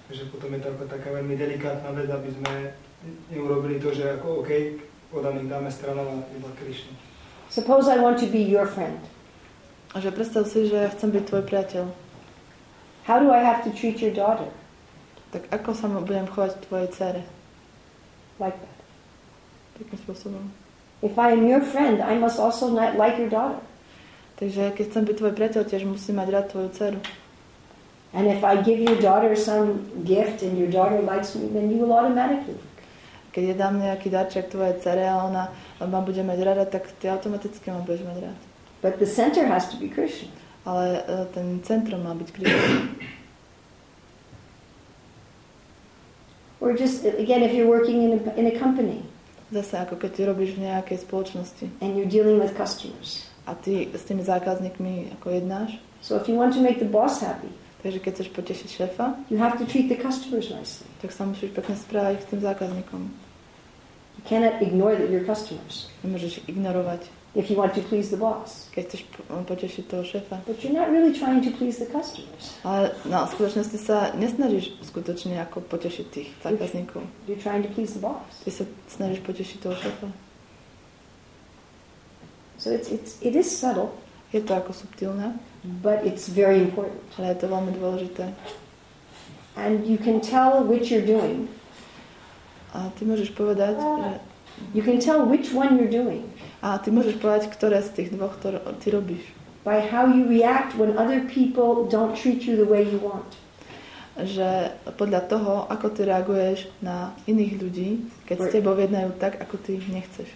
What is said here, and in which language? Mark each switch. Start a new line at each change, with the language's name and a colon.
Slovak: Že potom je to ako taká veľmi delikátna vec, aby sme neurobili to, že ako OK, odaným dáme stranu a iba Krishna.
English: Suppose I want to be your friend.
Slovak: A že predstav si, že ja chcem byť tvoj priateľ.
English: How do I have to treat your daughter?
Slovak: Tak ako sa budem chovať tvojej dcere?
English: Like that.
Slovak: Takým spôsobom.
English: If I am your friend, I must also not like your daughter.
Slovak: Takže keď chcem byť tvoj priateľ, tiež musím mať rád tvoju dceru.
English: And if I give your daughter some gift and your daughter likes me, then you will automatically.
Slovak: Keď ja dám nejaký darček tvojej dcere a ona ma bude mať rada, tak ty automaticky ma budeš mať rád.
English: But the center has to be Krishna.
Slovak: Ale ten centrum má byť Krishna.
English: Or just again, if you're working in a company.
Slovak: Zase ako keď ty robíš v nejakej spoločnosti.
English: And you're dealing with customers.
Slovak: A ty s tými zákazníkmi ako jednáš.
English: So if you want to make the boss happy.
Slovak: Takže keď chceš potešiť šéfa,
English: you have to treat the customers nicely.
Slovak: Tak sa musíš pekne správať k tým zákazníkom.
English: You cannot ignore that your customers.
Slovak: Nemôžeš ignorovať.
English: If you want to please the boss.
Slovak: Keď chceš potešiť toho šéfa.
English: But you're not really trying to please the customers.
Slovak: Ale na skutočnosti sa nesnažíš skutočne ako potešiť tých zákazníkov.
English: You're trying to please the boss.
Slovak: Ty sa snažíš potešiť toho šéfa.
English: So it is subtle.
Slovak: Je to ako subtilné.
English: But it's very important.
Slovak: Ale je to veľmi dôležité.
English: And you can tell which you're doing.
Slovak: A ty môžeš povedať, že...
English: You can tell which one you're doing.
Slovak: A ty môžeš povedať, ktoré z tých dvoch ty robíš.
English: By how you react when other people don't treat you the way you want.
Slovak: Že podľa toho, ako ty reaguješ na iných ľudí, keď s tebou jednajú tak, ako ty nechceš.